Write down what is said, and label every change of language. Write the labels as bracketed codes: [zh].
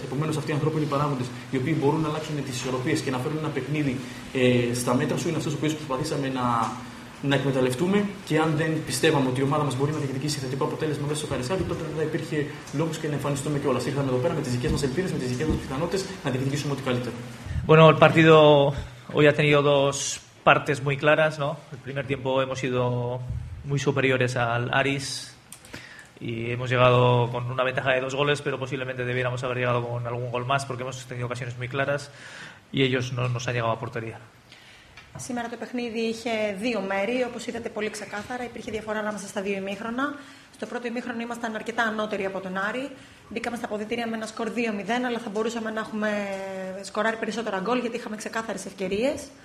[el] Επομένως, αυτοί οι ανθρώπινοι παράγοντες, οι οποίοι μπορούν να αλλάξουν τις ισορροπίες και να φέρουν ένα παιχνίδι στα μέτρα σου, είναι αυτούς που προσπαθήσαμε να να εκμεταλλευτούμε και αν δεν πιστεύαμε ότι η ομάδα μας μπορεί να διεκδικήσει θετικό αποτέλεσμα μέσα στο Καρισκάκι, τότε δεν θα υπήρχε λόγος και να εμφανιστούμε κιόλας. Ήρθαμε εδώ πέρα με τις δικές μας ελπίδες, με τις δικές μας πιθανότητες να διεκδικήσουμε ό,τι καλύτερο. [es] Bueno, el partido hoy ha tenido dos partes muy claras, ¿no? El primer tiempo hemos sido muy superiores al Aris. Y hemos llegado con una ventaja de dos goles, pero posiblemente debiéramos haber llegado con algún gol más porque hemos tenido ocasiones muy claras y ellos no nos han llegado a portería. [el] Σήμερα το παιχνίδι είχε δύο μέρη, όπως είδατε πολύ ξεκάθαρα. Υπήρχε διαφορά ανάμεσα στα δύο ημίχρονα. Στο πρώτο ημίχρονο ήμασταν αρκετά ανώτεροι από τον Άρη. Μπήκαμε στα αποδυτήρια με ένα σκορ 2-0, αλλά θα μπορούσαμε να έχουμε σκοράρει περισσότερα γκολ γιατί είχαμε ξεκάθαρες ευκαιρίες.